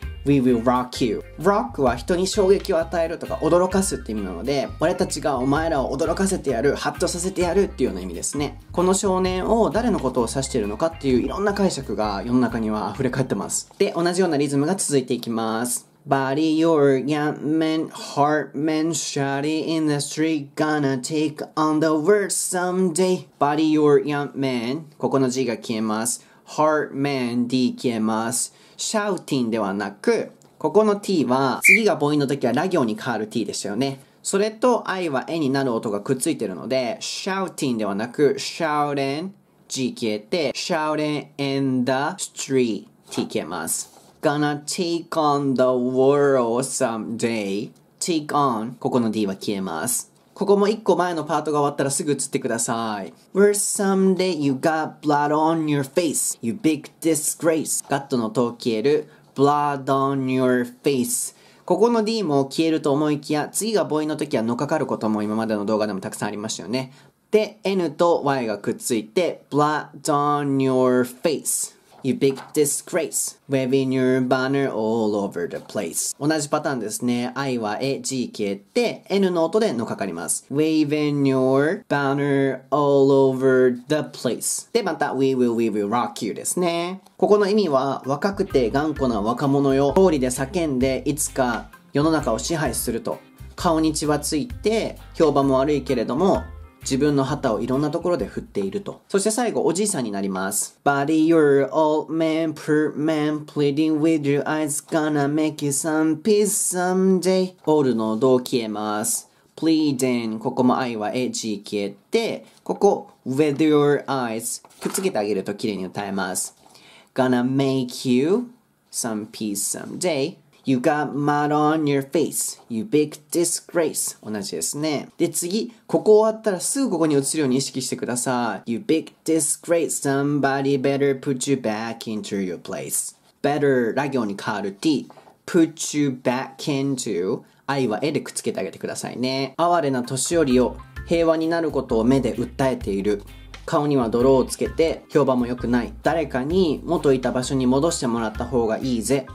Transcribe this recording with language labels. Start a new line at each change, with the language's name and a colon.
English: We will rock you。
Japanese: Rock は人に衝撃を与えるとか驚かすって意味なので、俺たちがお前らを驚かせてやる、ハッとさせてやるっていうような意味ですね。この少年を誰のことを指しているのかっていう、いろんな解釈が世の中には溢れ返ってます。で、同じようなリズムが続いていきます。
English: Buddy, your young man, hard man, shoddy in the street, gonna take on the world someday. Buddy, your young man,
Japanese: ここの G が消えます。
English: hard man,
Japanese: D 消えます。 shouting ではなく、ここの T は、次が母音の時はラ行に変わる T でしたよね。それと I は A になる音がくっついてるので、shouting ではなく、shouting, G 消えて、
English: shouting in the street,
Japanese: T 消えます。
English: Gonna take on the world someday.
Japanese: Take on. ここの D は消えます。ここも一個前のパートが終わったらすぐ映ってください。
English: Where someday you got blood on your face. You big disgrace.
Japanese: Got の音消える。
English: Blood on your face.
Japanese: ここの D も消えると思いきや、次が母音の時はのかかることも今までの動画でもたくさんありましたよね。で、N と Y がくっついて、
English: Blood on your face. You big disgrace, waving your banner all over the place.
Japanese: 同じパターンですね。 I は A、G 消えて、N の音でのかかります。
English: Waving your banner all over the place.
Japanese: で、また、
English: we will rock you
Japanese: ですね。ここの意味は、若くて頑固な若者よ。通りで叫んで、いつか世の中を支配すると。顔に血はついて、評判も悪いけれども、自分の旗をいろんなところで振っていると。そして最後、おじいさんになります。
English: Buddy, you're old man, poor man, pleading with your eyes, gonna make you some peace someday.
Japanese: オールの音消えます。 Pleading, ここも I は A, G 消えて、ここ、
English: with your eyes,
Japanese: くっつけてあげると綺麗に歌えます。
English: Gonna make you some peace someday. You got mud on your face, you big disgrace.
Japanese: 同じですね。で、次、ここ終わったらすぐここに移るように意識してください。
English: You big disgrace, somebody better put you back into your place.
Japanese: Better, ラ行に変わる T,
English: put you back into,
Japanese: 愛は絵でくっつけてあげてくださいね。哀れな年寄りを平和になることを目で訴えている。顔には泥をつけて評判も良くない。誰かに元いた場所に戻してもらった方がいいぜ。